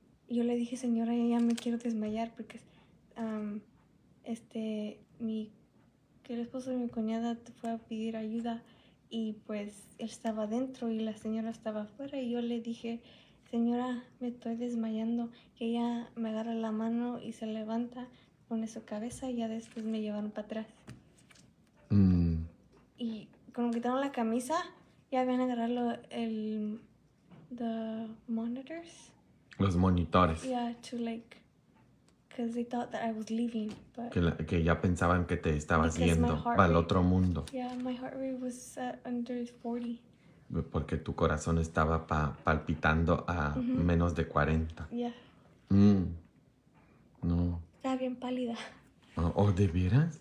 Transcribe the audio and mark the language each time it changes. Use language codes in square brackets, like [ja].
[es] Y yo le dije, señora, ya me quiero desmayar porque que el esposo de mi cuñada fue a pedir ayuda y pues él estaba adentro y la señora estaba afuera y yo le dije, Señora, me estoy desmayando. Que ella me agarra la mano y se levanta, pone su cabeza y ya después me llevaron para atrás. Y cuando quitaron la camisa, ya habían agarrado los monitores. [en] Yeah, to like, because they thought that I was leaving, but [es] que ya pensaban que te estabas yendo al otro mundo. [en] Yeah, my heart rate was set under 40. [es] Porque tu corazón estaba palpitando a menos de 40. [en] Yeah. [es] No. Estaba bien pálida. Oh, ¿de veras?